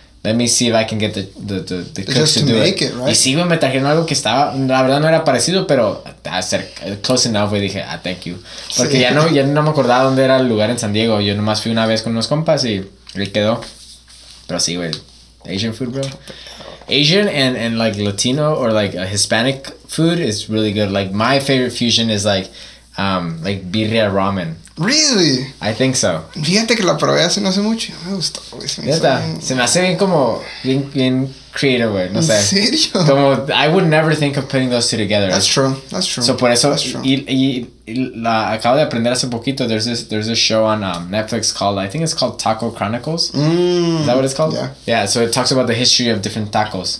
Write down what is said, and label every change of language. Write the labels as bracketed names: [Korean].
[English] Let me see if I can get the cooks to do it. Right? [Spanish] Y sí, me trajeron algo que estaba, la verdad no era parecido, pero [English] close enough. [Spanish] Y dije, ah, [English] thank you. [Spanish] Porque sí. ya no me acordaba dónde era el lugar en San Diego. Yo nomás fui una vez con unos compas y ahí quedó. Pero sí, güey. [English] Asian food, bro. Asian and like Latino or like a Hispanic food is really good. Like my favorite fusion is like birria ramen. Really? I think so. [Spanish] Fíjate que la probé hace no hace mucho y no me gustó. Se me hace bien como bien [English] creative, [Spanish] güey. No sé. ¿En serio? Como [English] I would never think of putting those two together. That's true. [Spanish] So por eso y la acabo de aprender hace poquito. [English] There's this show on Netflix called, I think it's called Taco Chronicles. Is that what it's called? Yeah. So it talks about the history of different tacos.